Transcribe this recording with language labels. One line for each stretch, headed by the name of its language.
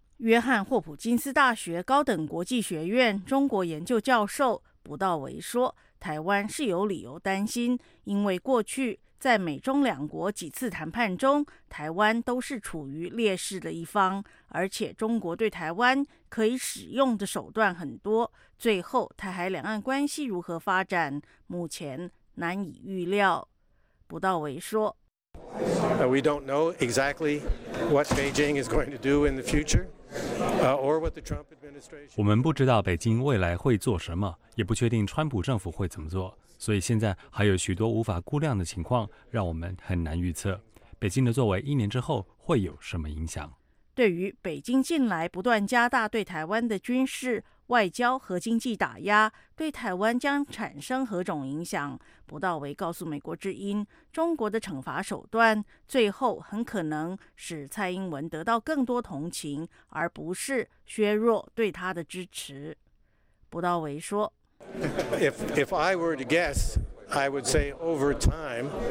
Chinese: 约翰霍普金斯大学高等国际学院中国研究教授卜道维说，台湾是有理由担心，因为过去在美中两国几次谈判中，台湾都是处于劣势的一方，而且中国对台湾可以使用的手段很多，最后台海两岸关系如何发展，目前难以预料。卜道维说，
English: We don't know exactly what Beijing is going to do in the future.
Chinese: 我们不知道北京未来会做什么，也不确定川普政府会怎么做，所以现在还有许多无法估量的情况，让我们很难预测北京的作为一年之后会有什么影响。对于北京近来不断加大对台湾的军事、外交和经济打压，对台湾将产生何种影响，卜道维告诉美国之音，中国的惩罚手段最后很可能使蔡英文得到更多同情，而不是削弱对他的支持。卜道维说，
English: If I were to guess, I would say over time,